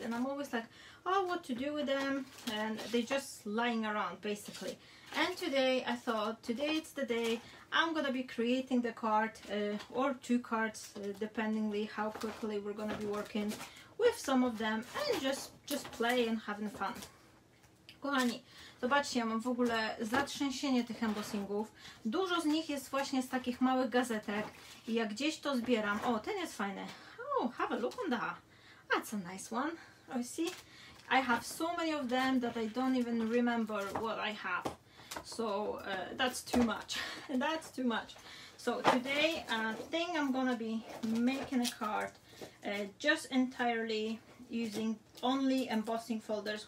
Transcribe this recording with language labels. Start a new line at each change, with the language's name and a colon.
English: And I'm always like, oh, what to do with them? And they're just lying around, basically. And today I thought, today it's the day I'm gonna be creating the card or two cards, dependingly how quickly we're gonna be working with some of them, and just play and having fun.
Polish: Kochani, zobaczcie, ja mam w ogóle zatrzęsienie tych embossingów. Dużo z nich jest właśnie z takich małych gazetek i jak gdzieś to zbieram. O, ten jest fajny.
English: Oh, have a look on that. That's a nice one. Oh, see? I have so many of them that I don't even remember what I have. So that's too much. That's too much. So today I think I'm gonna be making a card just entirely using only embossing folders.